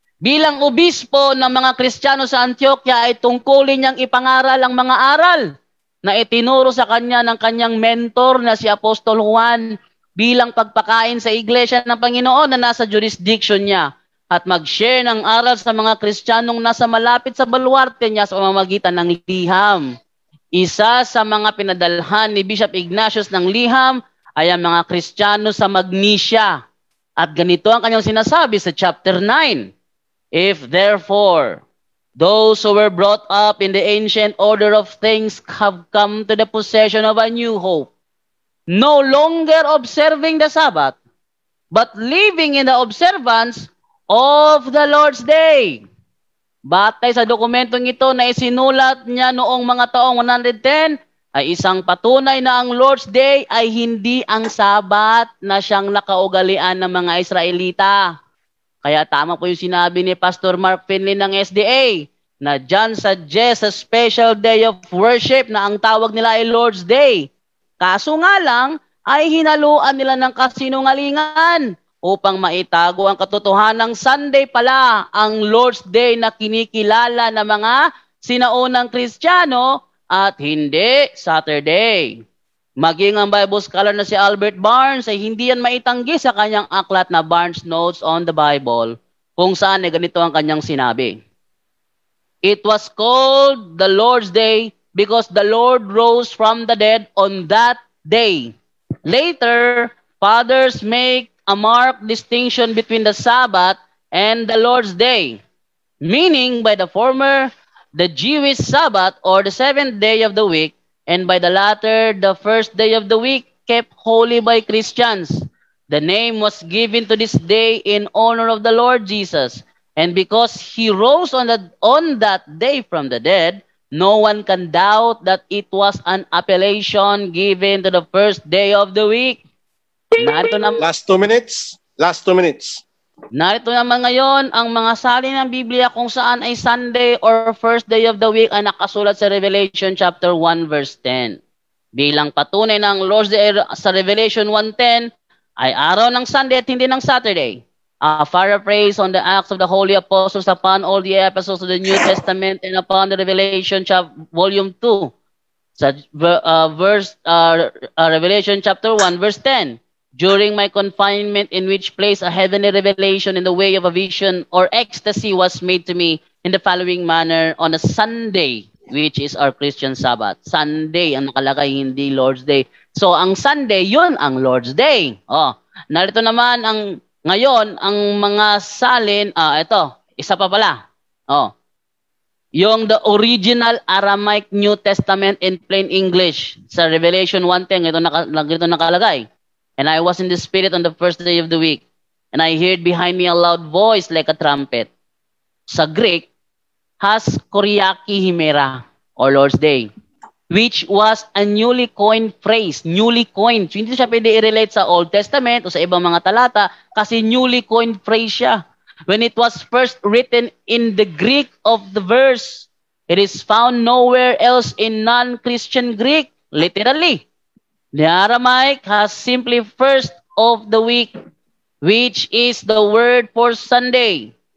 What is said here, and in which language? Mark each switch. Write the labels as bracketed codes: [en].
[tl] Bilang obispo ng mga Kristiyano sa Antioquia ay tungkulin niyang ipangaral ang mga aral na itinuro sa kanya ng kanyang mentor na si Apostol Juan bilang pagpakain sa iglesia ng Panginoon na nasa jurisdiction niya at mag-share ng aral sa mga Kristiyanong nasa malapit sa baluarte niya sa pamamagitan ng Liham. Isa sa mga pinadalhan ni Bishop Ignatius ng Liham ay ang mga Kristiyano sa Magnesia. At ganito ang kanyang sinasabi sa chapter 9. [en] If therefore those who were brought up in the ancient order of things have come to the possession of a new hope, no longer observing the Sabbath, but living in the observance of the Lord's Day. [tl] Batay sa dokumentong ito na isinulat niya noong mga taong 110, ay isang patunay na ang Lord's Day ay hindi ang Sabbath na siyang nakaugalian ng mga Israelita. Kaya tama po yung sinabi ni Pastor Mark Finley ng SDA na [en] John suggests a special day of worship [tl] na ang tawag nila ay Lord's Day. Kaso nga lang ay hinaluan nila ng kasinungalingan upang maitago ang katotohanan ng Sunday pala ang Lord's Day na kinikilala ng mga sinaunang Kristiyano at hindi Saturday. Maging ang Bible scholar na si Albert Barnes ay hindi yan maitanggi sa kanyang aklat na Barnes Notes on the Bible kung saan ay ganito ang kanyang sinabi. [en] It was called the Lord's Day because the Lord rose from the dead on that day. Later, fathers make a marked distinction between the Sabbath and the Lord's Day, meaning by the former, the Jewish Sabbath or the seventh day of the week, and by the latter, the first day of the week, kept holy by Christians. The name was given to this day in honor of the Lord Jesus, and because he rose on that day from the dead, no one can doubt that it was an appellation given to the first day of the week. Last two minutes. [tl] Narito naman ngayon ang mga sali ng Biblia kung saan ay Sunday or first day of the week ay nakasulat sa Revelation chapter 1 verse 10. Bilang patunay ng Lord's Day sa Revelation 1:10 ay araw ng Sunday at hindi ng Saturday. [en] A paraphrase on the Acts of the Holy Apostles upon all the episodes of the New Testament and upon the Revelation volume 2. Revelation chapter 1 verse 10. During my confinement in which place a heavenly revelation in the way of a vision or ecstasy was made to me in the following manner on a Sunday, which is our Christian Sabbath. [tl] Sunday ang nakalagay, hindi Lord's Day. So ang Sunday, yun ang Lord's Day. Oh, narito naman ang ngayon ang mga salin. Ito, isa pa pala. Oh, yung the original Aramaic New Testament in plain English sa Revelation 1:10, ito nakalagay. [en] And I was in the spirit on the first day of the week, and I heard behind me a loud voice like a trumpet. [tl] Sa Greek, [en] has koriaki himera, or Lord's Day, which was a newly coined phrase, newly coined. [tl] So, hindi siya pwede i-relate sa Old Testament o sa ibang mga talata kasi newly coined phrase siya. [en] When it was first written in the Greek of the verse, it is found nowhere else in non-Christian Greek, literally. The Aramaic has simply first of the week, which is the word for Sunday.